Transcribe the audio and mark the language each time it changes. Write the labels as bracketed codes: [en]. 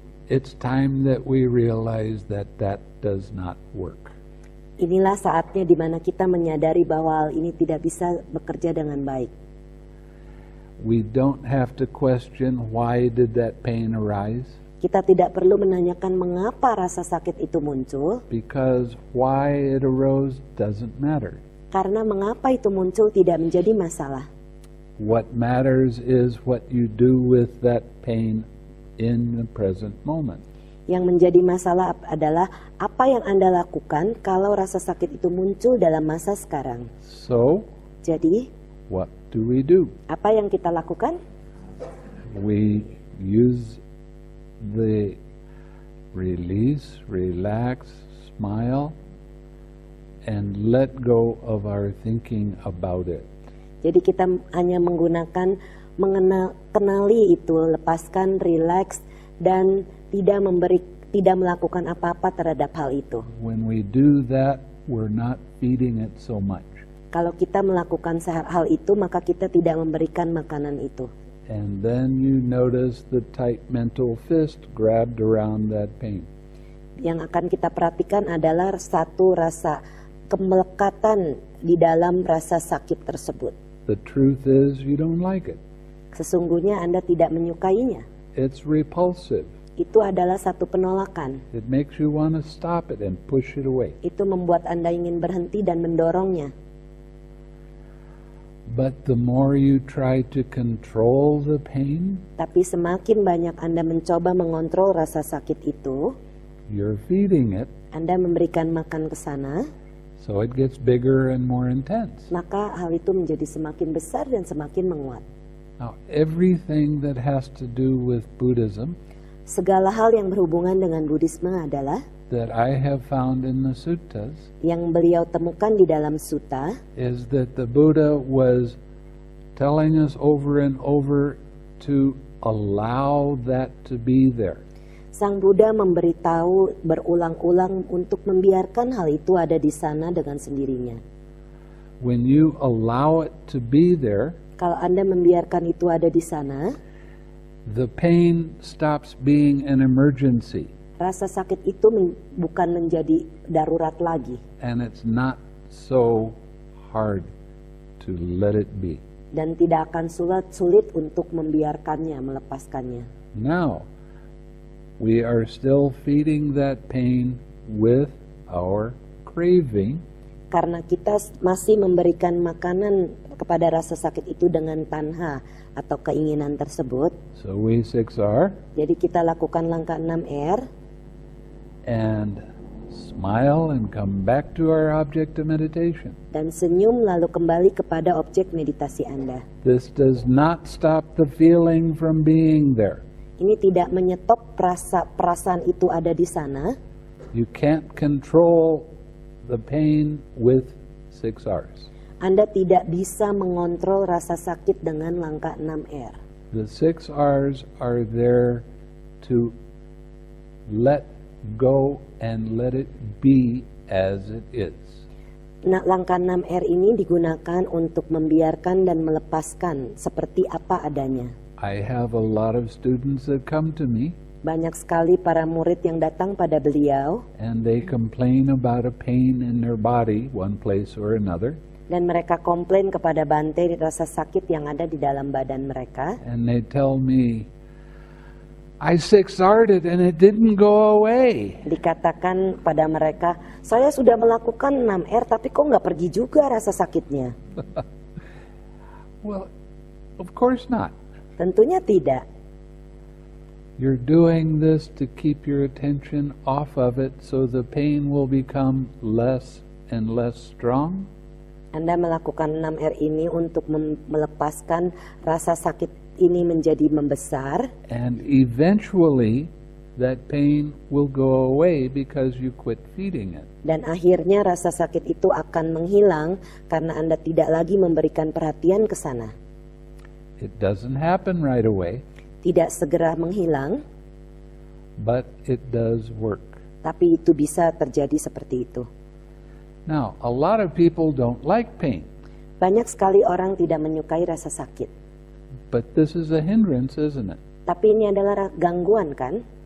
[en] It's time that we realize that that does not work. [id] Inilah saatnya di mana kita menyadari bahwa hal ini tidak bisa bekerja dengan baik. [en] We don't have to question why did that pain arise. [id] Kita tidak perlu menanyakan mengapa rasa sakit itu muncul. [en] Because why it arose doesn't matter. [id] Karena mengapa itu muncul tidak menjadi masalah. [en] What matters is what you do with that pain in the present moment. [id] Yang menjadi masalah adalah apa yang Anda lakukan kalau rasa sakit itu muncul dalam masa sekarang. [en] So, [id] jadi, [en] what do we do? [id] Apa yang kita lakukan? [en] We use the release, relax, smile, and let go of our thinking about it. [id] Jadi kita hanya menggunakan kenali itu, lepaskan, relax, dan tidak melakukan apa-apa terhadap hal itu. [en] When we do that, we're not feeding it so much. [id] Kalau kita melakukan hal itu, maka kita tidak memberikan makanan itu. [en] And then you notice the tight mental fist grabbed around that pain. [id] Yang akan kita perhatikan adalah satu rasa kemelekatan di dalam rasa sakit tersebut. [en] The truth is you don't like it. [id] Sesungguhnya Anda tidak menyukainya. [en] It's repulsive. [id] Itu adalah satu penolakan. [en] It makes you want to stop it and push it away. [id] Itu membuat Anda ingin berhenti dan mendorongnya. [en] But the more you try to control the pain, [id] tapi semakin banyak Anda mencoba mengontrol rasa sakit itu, [en] you're feeding it, [id] Anda memberikan makan ke sana, [en] so it gets bigger and more intense. [id] Maka hal itu menjadi semakin besar dan semakin menguat. [en] Now, everything that has to do with Buddhism, [id] segala hal yang berhubungan dengan Buddhisme adalah, [en] that I have found in the suttas, [id] yang beliau temukan di dalam sutta, [en] is that the Buddha was telling us over and over to allow that to be there. [id] Sang Buddha memberitahu berulang-ulang untuk membiarkan hal itu ada di sana dengan sendirinya. [en] When you allow it to be there, [id] kalau Anda membiarkan itu ada di sana, [en] the pain stops being an emergency. [id] Rasa sakit itu bukan menjadi darurat lagi. [en] And it's not so hard to let it be. [id] Dan tidak akan sulit untuk membiarkannya, melepaskannya. [en] Now, we are still feeding that pain with our craving. [id] Karena kita masih memberikan makanan kepada rasa sakit itu dengan tanha atau keinginan tersebut. [en] So we 6R. [id] Jadi kita lakukan langkah 6R. [en] And smile and come back to our object of meditation. [id] Dan senyum lalu kembali kepada objek meditasi Anda. [en] This does not stop the feeling from being there. [id] Ini tidak menyetop perasaan itu ada di sana. [en] You can't control the pain with 6Rs. [id] Anda tidak bisa mengontrol rasa sakit dengan langkah 6R. [en] The 6Rs are there to let go and let it be as it is. [id] Nah, langkah 6R ini digunakan untuk membiarkan dan melepaskan seperti apa adanya. [en] I have a lot of students that come to me. [id] Banyak sekali para murid yang datang pada beliau. [en] And they complain about a pain in their body, one place or another. [id] Dan mereka komplain kepada Bante di rasa sakit yang ada di dalam badan mereka. [en] And they tell me, I six-R'd it and it didn't go away. [id] Dikatakan pada mereka, saya sudah melakukan 6R tapi kok enggak pergi juga rasa sakitnya. [en] Well, of course not. [id] Tentunya tidak. [en] You're doing this to keep your attention off of it so the pain will become less and less strong. [id] Anda melakukan 6R ini untuk melepaskan rasa sakit ini menjadi membesar. [en] And eventually that pain will go away because you quit feeding it. [id] Dan akhirnya rasa sakit itu akan menghilang karena Anda tidak lagi memberikan perhatian ke sana. [en] It doesn't happen right away. [id] Tidak segera menghilang. [en] But it does work. [id] Tapi itu bisa terjadi seperti itu. [en] Now, a lot of people don't like pain. [id] Banyak sekali orang tidak menyukai rasa sakit. [en] But this is a hindrance, isn't it? [id] Tapi ini adalah gangguan, kan?